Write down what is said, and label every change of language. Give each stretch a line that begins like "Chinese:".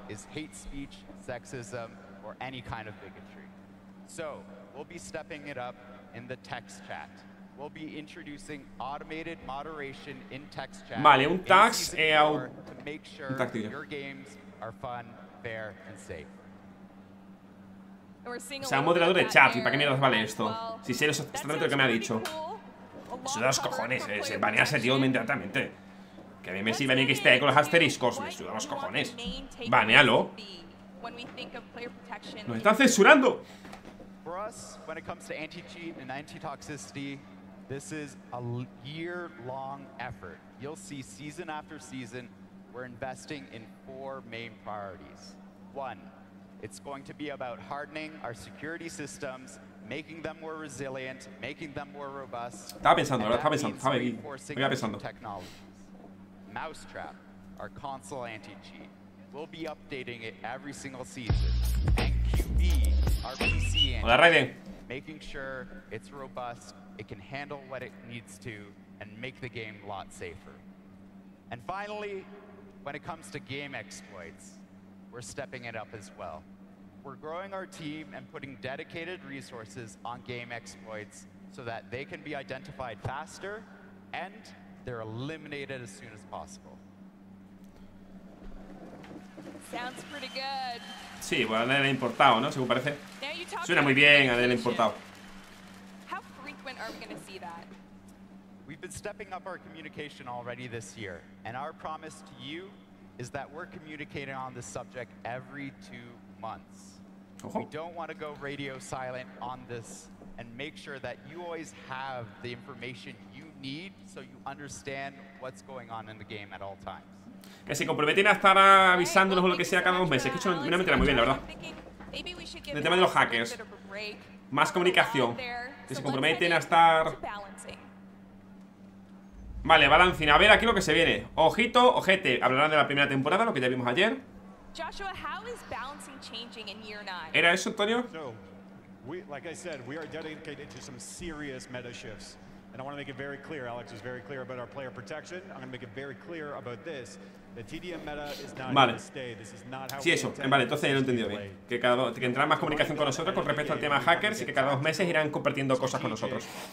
English: Is hate speech, sexism, or any kind of bigotry. So, we'll be stepping it up in the text chat. We'll be introducing automated moderation in text chat.
Spanish: Vale, un tax
English: to make sure your games are fun, fair, and safe.
Spanish: O sea, un moderador de chat, ¿y para qué mierda vale esto? Si sé exactamente lo que me ha dicho. Eso de los cojones, ¿eh? Se banea ese tío inmediatamente. Que a mí me sirve a mí que esté con los asteriscos. Me suda los cojones. Banealo.
English: when we think of player protection.
Spanish: ¡Nos están censurando!
English: For us, when it comes to anti-cheat and anti-toxicity, this is a year-long effort. You'll see season after season, we're investing in four main priorities. One, it's going to be about hardening our security systems, making them more resilient, making them more robust.
Spanish: Estaba pensando, ahora estaba pensando.
English: Technologies. Mousetrap, our console anti-cheat. We'll be updating it every single season. NQB, our PC anti-cheat. Making sure it's robust, it can handle what it needs to, and make the game a lot safer. And finally, when it comes to game exploits, we're stepping it up as well. We're growing our team and putting dedicated resources on game exploits so that they can be identified faster and they're eliminated as soon as possible. Sounds pretty good.
Spanish: Sí, bueno, a nadie le ha importado, ¿no? Según parece. Suena muy bien, a nadie le ha importado.
English: How frequent are we going to see that? We've been stepping up our communication already this year, and our promise to you is that we're communicating on this subject every 2 months.
Spanish: Ojo.
English: We don't want to go radio silent on this and make sure that you always have the information you need so you understand what's going on in the game at all times.
Spanish: Que se comprometen a estar avisándonos o lo que sea cada 2 meses. Que eso me entra muy bien, la verdad. El tema de los hackers. Más comunicación. Que se comprometen a estar... Vale, balancing. A ver aquí lo que se viene. Ojito, ojete. Hablarán de la primera temporada, lo que ya vimos ayer.
English: Joshua, how is balancing changing in year 9?
Spanish: ¿Era eso, Antonio?
English: So, we, like I said, we are dedicated to some serious meta shifts. And I want to make it very clear, Alex is very clear about our player protection. I'm going to make it very clear about this. The TDM meta is not
Spanish: vale.
English: Going to stay. This is not how
Spanish: sí, eso. Vale, entonces ya lo he entendido bien. Que, que entrará más comunicación con nosotros con respecto al tema hackers y que cada 2 meses irán compartiendo cosas con nosotros.